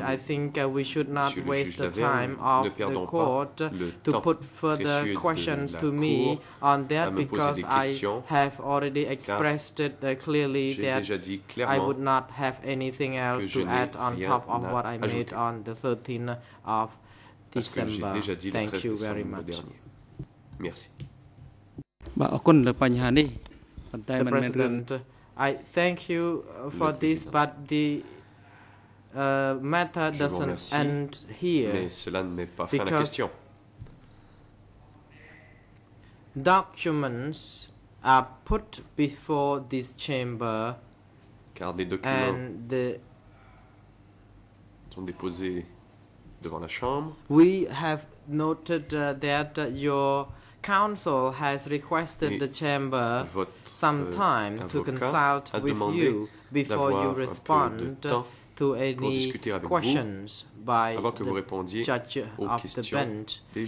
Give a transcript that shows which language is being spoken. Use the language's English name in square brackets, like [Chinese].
[English] I think we should not waste the time of the court to put further questions to me on that because I have already expressed it clearly that I would not have anything else to add on top of what I made on the 13th of December. Thank you very much. [French] Merci. [English] The President, I thank you for this, but the matter doesn't end here. [French] Mais cela ne met pas fin à la question. [English] Documents are put before this chamber, [French] car des documents sont déposés devant la chambre. [English] We have noted that your counsel has requested the chamber some time to consult with you before you respond to any questions by the judge of the bench.